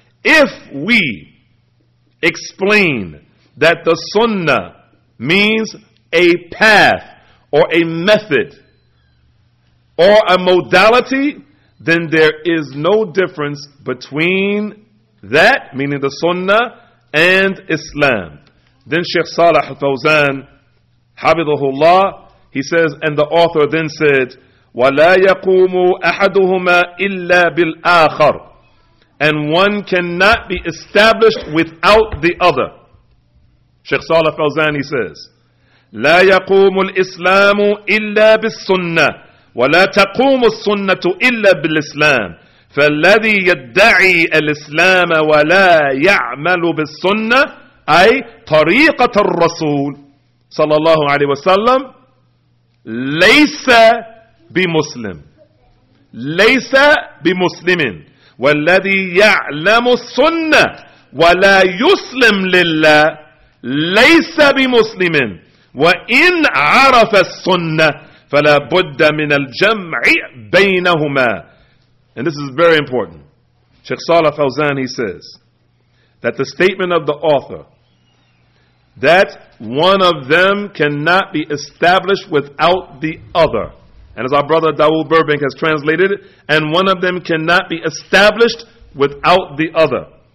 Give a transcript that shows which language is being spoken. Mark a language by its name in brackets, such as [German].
[English] If we explain that the sunnah means a path or a method or a modality, then there is no difference between that, meaning the sunnah, and Islam. Then Sheikh Salah Fawzan, Habibullah, he says, and the author then said, [Arabic] وَلَا يَقُومُ أَحَدُهُمَا إِلَّا بِالْآخَرِ, [English] and one cannot be established without the other. Sheikh Salah Fawzan, he says, [Arabic] لَا يَقُومُ الْإِسْلَامُ إِلَّا بِالسُنَّةِ وَلَا تَقُومُ السُنَّةُ إِلَّا بِالْإِسْلَامِ فَالَّذِي يَدَّعِي الْإِسْلَامَ وَلَا يَعْمَلُ بِالسُنَّةِ أي طريقة الرسول صلى الله عليه وسلم ليس بمسلم ليس بمسلم وَالَّذِي يَعْلَمُ السُنَّةِ وَلَا يُسْلِمْ لِلَّهِ لَيْسَ بِمُسْلِمٍ وَإِنْ عَرَفَ السُنَّةِ فَلَا بُدَّ مِنَ الْجَمْعِ بَيْنَهُمَا. [English] And this is very important. Sheikh Salah Fawzan, he says, that the statement of the author, that one of them cannot be established without the other. And as our brother Dawud Burbank has translated it, and one of them cannot be established without the other.